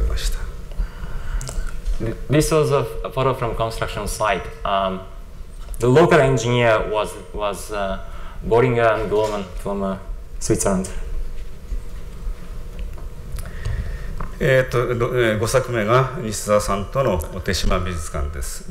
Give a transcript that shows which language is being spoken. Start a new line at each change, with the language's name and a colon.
Japanese: これはその時の現場のスナップ写真です。実設計の方はドイツのB&Gという事務所にお願いしておりました。
English: This was a photo from construction site. The local engineer was Boringer and Gorman from Switzerland.
Japanese: 5作目が西澤さんとの手島美術館です。